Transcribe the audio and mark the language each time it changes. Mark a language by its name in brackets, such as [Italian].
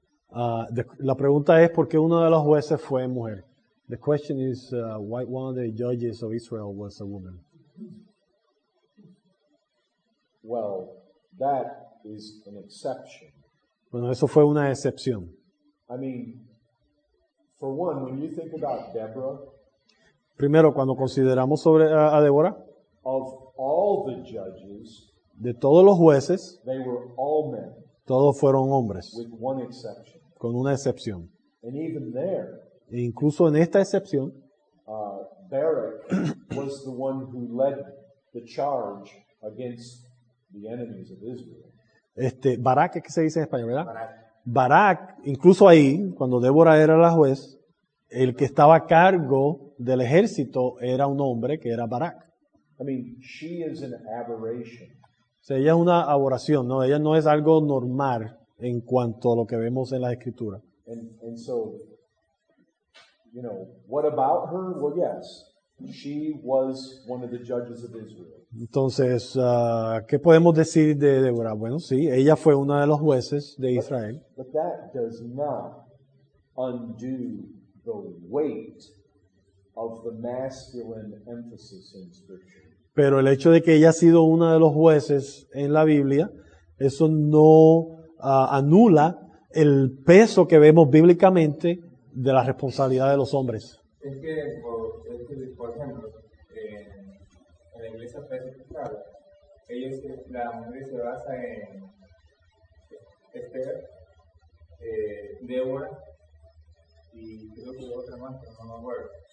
[Spanish] la pregunta es, ¿por qué uno de los jueces fue mujer? [English] The question is, why one of the judges of Israel was a woman? Well, that is an exception. [Spanish] Bueno, eso fue una excepción. [English] I mean, for one, when you think about Deborah, [Spanish] primero, cuando consideramos sobre a Débora, [English] of all the judges, [Spanish] de todos los jueces, [English] they were all men, [Spanish] todos fueron hombres, [English] with one exception, [Spanish] con una excepción. [English] And even there, [Spanish] e incluso en esta excepción, [English] Barak was the one who led the charge against the enemies of Israel. [Spanish] Barak, ¿qué se dice en español, verdad? Barak, incluso ahí, cuando Débora era la juez, el que estaba a cargo del ejército era un hombre que era Barak. [English] I mean, she is an aberration. [Spanish] O sea, ella es una aberración, ¿no? Ella no es algo normal en cuanto a lo que vemos en la Escritura. [English] And so, you know, what about her? Well, yes. She was one of the judges of Israel. [Spanish] Entonces, ¿qué podemos decir de Débora? Bueno, sí, ella fue una de los jueces de Israel. [English] But that does not undo the weight of the masculine emphasis in Scripture. [Spanish] Pero el hecho de que ella ha sido una de los jueces en la Biblia, eso no anula el peso que vemos bíblicamente de la responsabilidad de los hombres. Es que, por ejemplo, en la iglesia pesquisada, ellos, la mujer se basa en Esther, Débora, y creo que otra más, pero no me acuerdo.